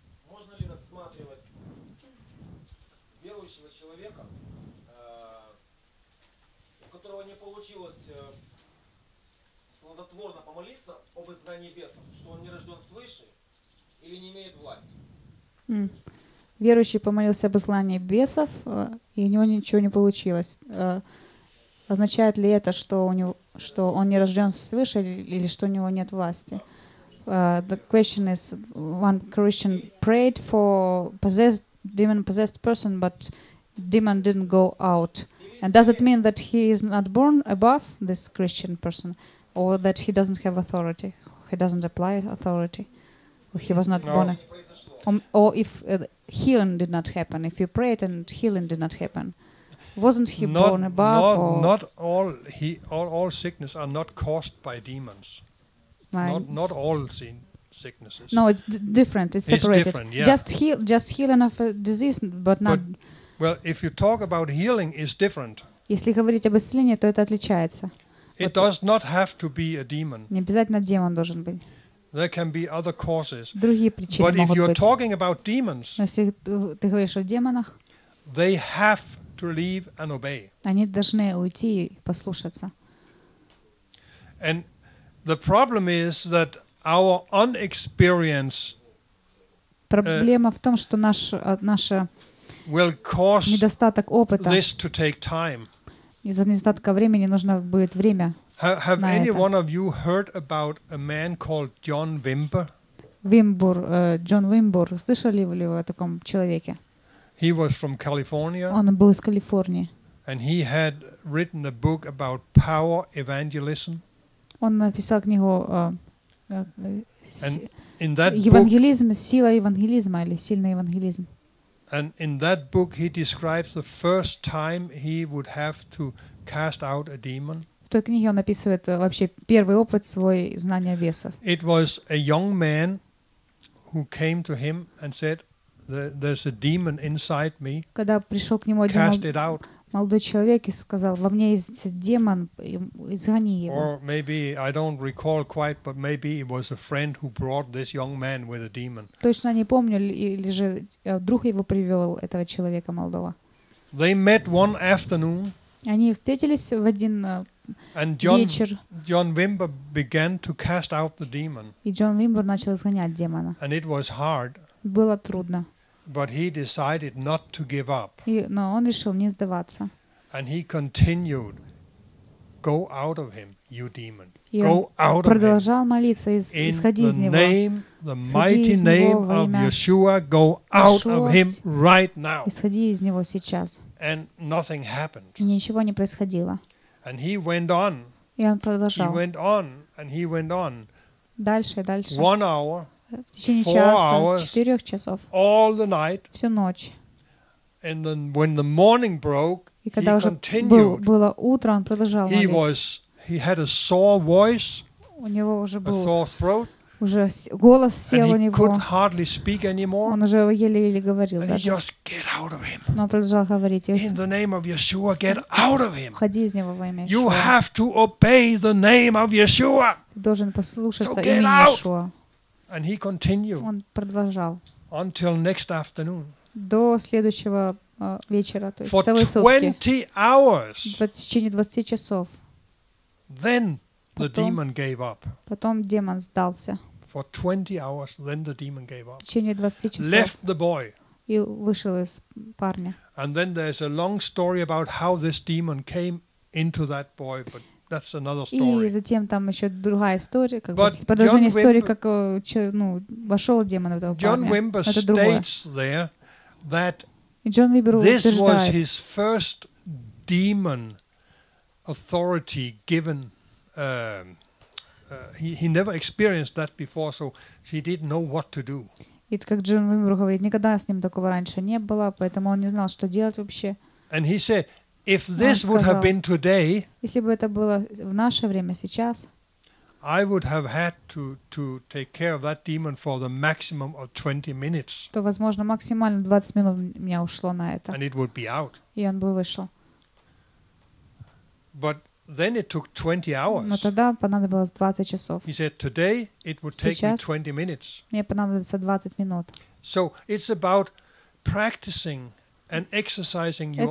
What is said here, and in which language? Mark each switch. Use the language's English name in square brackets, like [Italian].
[Russian] Можно ли рассматривать верующего человека, у которого не получилось плодотворно помолиться об изгнании беса, что он не рожден свыше или не имеет власти? Верующий помолился об изгнании бесов, и у него ничего не получилось. Означает ли это, что у него, что он не рожден свыше или что у него нет власти? [English] The question is, one Christian prayed for possessed demon possessed person, but demon didn't go out. And does it mean that he is not born above this Christian person? Or that he doesn't have authority, he doesn't apply authority, or he was not born. Or if healing did not happen, if you prayed and healing did not happen, wasn't he born above? Not all sickness are not caused by demons. Not all sicknesses. No, it's different. It's separated. It's different, yeah. Just healing of a disease, but not. Well, if you talk about healing, it's different. [Russian] Если говорить об исцелении, то это отличается. [English] It does not have to be a demon. [Russian] Не обязательно демон должен быть. [English] There can be other causes. [Russian] Другие причины могут быть. [English] But if you're talking about demons, [Russian] если ты говоришь о демонах, [English] they have to leave and obey. [Russian] Они должны уйти и послушаться. [English] And the problem is that our unexperience. [Russian] Проблема в том, что наша недостаток опыта [English] this to take time. [Russian] Из-за недостатка времени нужно будет время. [English] Have any one of you heard about a man called John Wimber? [Russian] Вимбур, Джон Вимбур, слышали ли вы о таком человеке? [English] He was from California. [Russian] Он был из Калифорнии. [English] And he had written a book about power evangelism. [Russian] Он написал книгу Евангелизм, сила евангелизма или сильный евангелизм. [English] And in that book he describes the first time he would have to cast out a demon. [Russian] В той книге он описывает вообще первый опыт свой знания бесов. [English] It was a young man who came to him and said, "There's a demon inside me." [Russian] Когда пришел к нему один молодой человек и сказал, во мне есть демон, изгони его. [English] Or maybe I don't recall quite, but maybe it was a friend who brought this young man with a demon. [Russian] Точно не помню, или же друг его привел этого человека молодого. [English] They met one afternoon. [Russian] Они встретились в один вечер. [English] And John Wimber began to cast out the demon. [Russian] И Джон Вимбер начал изгонять демона. [English] And it was hard. [Russian] Было трудно. [English] But he decided not to give up. [Russian] Но он решил не сдаваться. [English] And he continued, "Go out of him, you demon. Go out of him." [Russian] Продолжал молиться, исходи из него. [English] In the name, the mighty name of Yeshua, go out of him right now. [Russian] Исходи из него сейчас. [English] And nothing happened. [Russian] И ничего не происходило. [English] And he went on. [Russian] И он продолжал. [English] He went on, and he went on. [Russian] Дальше, дальше. [English] 1 hour. [Russian] В течение часа, 4 часов, [English] all the night, [Russian] всю ночь. [English] And then when the morning broke, [Russian] и когда [English] he [Russian] уже [English] continued. [Russian] Было утро, он продолжал молиться. [English] He had a sore voice, [Russian] у него уже был [English] sore throat, [Russian] уже голос сел [English] and [Russian] у него. [English] Couldn't hardly speak anymore, [Russian] он уже еле-еле говорил. [English] And he just get out of him. [Russian] Но он продолжал говорить. [English] In the name of Yeshua, get out of him. [Russian] Уходи из него во имя Иешуа. [English] You have to obey the name of Yeshua. [Russian] Ты должен послушаться имени Иешуа. [English] And he continued [Russian] он продолжал [English] until next afternoon. [Russian] До следующего вечера, то есть [English] for [Russian] целые 20 сутки. [English] Hours, [Russian] в течение 20 часов. [English] Then the demon gave up. [Russian] Потом демон сдался. [English] For 20 hours, then the demon gave up. [Russian] В течение 20 часов. [English] Left the boy. [Russian] И вышел из парня. [English] And then there's a long story about how this demon came into that boy, but that's another story. [Russian] И затем там еще другая история, как бы продолжение истории, как вошел демон в этого парня. [English] John Wimber states there that John Wimber this was his first demon authority given. He never experienced that before, so he didn't know what to do. [Russian] И как Джон Вимбер говорит, никогда с ним такого раньше не было, поэтому он не знал, что делать вообще. [English] And he said, if this [Russian] сказал, [English] would have been today, [Russian] если бы это было в наше время сейчас, [English] I would have had to take care of that demon for the maximum of 20 minutes. [Russian] То, возможно, максимально 20 минут у меня ушло на это. [English] And it would be out. [Russian] И он бы вышел. [English] But then it took 20 hours. [Russian] Но тогда понадобилось 20 часов. [English] He said, today it would take [Russian] сейчас [English] me 20 minutes. [Russian] Мне понадобится 20 минут. [English] So it's about practicing and exercising your